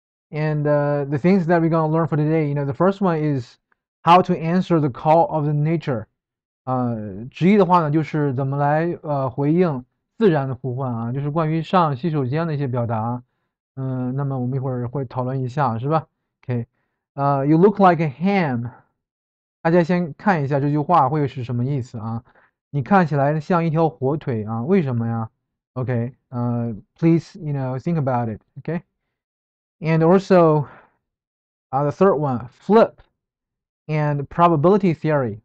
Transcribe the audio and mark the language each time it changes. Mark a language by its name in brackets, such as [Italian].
[English] And the things that we're gonna learn for today, the first one is how to answer the call of the nature. [Chinese] 直译的话呢，就是怎么来回应自然的呼唤啊，就是关于上洗手间的一些表达。那么我们一会儿会讨论一下，是吧？ [English] OK，you look like a ham。 [Chinese] 大家先看一下这句话会是什么意思啊？你看起来像一条火腿啊？为什么呀？ [English] OK，please think about it. OK，and also the third one, flip and probability theory.